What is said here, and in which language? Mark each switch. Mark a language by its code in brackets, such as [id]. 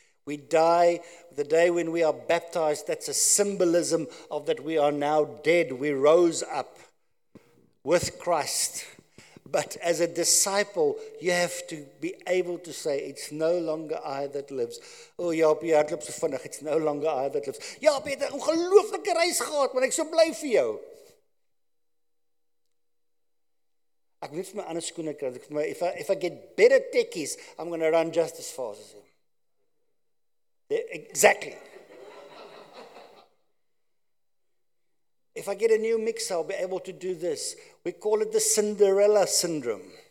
[en] We die the day when we are baptized. That's a symbolism of that we are now dead. We rose up with Christ. But as a disciple, you have to be able to say, it's no longer I that lives. [af] Oh, Jaapie, jy hardloop so vinnig. [en] It's no longer I that lives. [af] Jaapie, jy het 'n ongelooflike reis gehad, maar ek so bly vir jou. Ek moet my ander skoene kry. [en] If I get better techies, I'm going to run just as fast as him. Exactly. If I get a new mixer, I'll be able to do this. We call it the Cinderella syndrome.